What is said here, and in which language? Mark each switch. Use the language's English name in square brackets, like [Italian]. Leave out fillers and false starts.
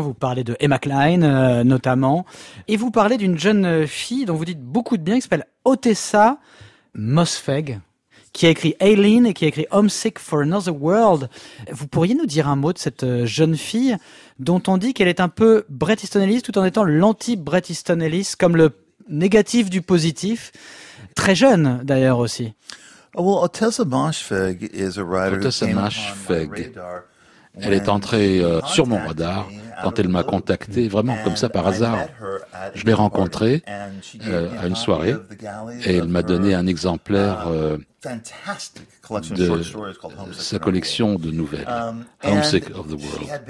[French] Vous parlez de Emma Klein, notamment. Et vous parlez d'une jeune fille dont vous dites beaucoup de bien, qui s'appelle Otessa Mosfeg. qui a écrit Aileen et qui a écrit Homesick for Another World. Vous pourriez nous dire un mot de cette jeune fille dont on dit qu'elle est un peu Bret Easton Ellis tout en étant l'anti-Bret Easton Ellis, comme le négatif du positif, très jeune d'ailleurs aussi. [English] Oh, well, Otessa Moshfegh is a writer who came on my radar. [French] Elle est entrée sur mon radar quand elle m'a contacté, vraiment comme ça par hasard. Je l'ai rencontrée à une soirée et elle m'a donné un exemplaire de sa collection de nouvelles, Homesick of the World.